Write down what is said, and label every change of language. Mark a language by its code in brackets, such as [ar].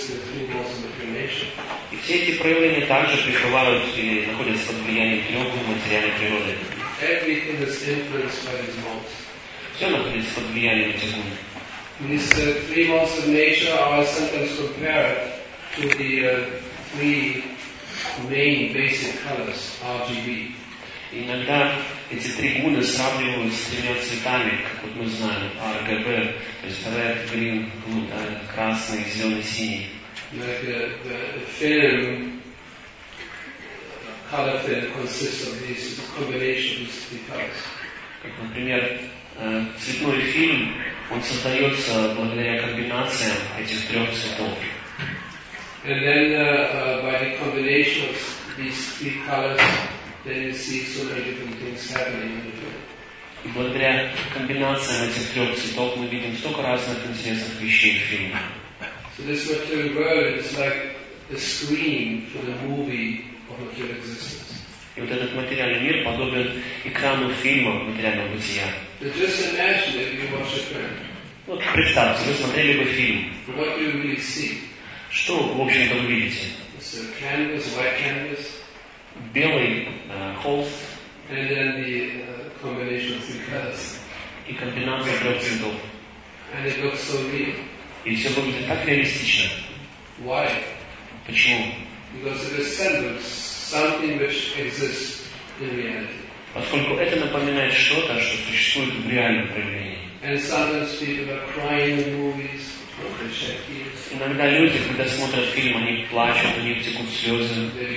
[ru] И все эти проявления также пребывают и находятся под влиянием трех материальной природы. Все находится под влиянием этих гун. [en] These three modes of nature are sometimes compared to the three main basic colors, RGB. [ru] Иногда эти три гуны сравниваются с тремя цветами, как вот мы знаем, RGB, то есть [en] red, green, blue, [ru] да, красный, зеленый, синий. [en] Like a film colorful consists of these combinations because. [ru] Как, например, цветной фильм, он создается благодаря комбинациям этих трех цветов. [en] And then by the combination of these three colors, then you see so many different things happening in the film. [ru] И благодаря комбинациям этих трех цветов мы видим столько разных интересных вещей в фильме. [en] So this material world is like a screen for the movie of your existence. [ru] И вот этот материальный мир подобен экрану фильма материального бытия. [en] So just imagine if you watch a film. [ru] Вот представьте, вы смотрели бы фильм. [en] What do you really see? [ru] Что, в общем-то, вы видите? [en] It's a canvas, white canvas. [ru] Белый холст. [en] And then the combination of three colors. [ru] И комбинация трех цветов. [en] And it looks so real. [ru] И все выглядит так реалистично. [en] Why? [ru] Почему? [en] Because it resembles something which exists in reality. [ru] Поскольку это напоминает что-то, что существует в реальном проявлении. [en] And sometimes people are crying in movies. Oh, [ru] иногда люди, когда смотрят фильм, они плачут, у них текут слезы.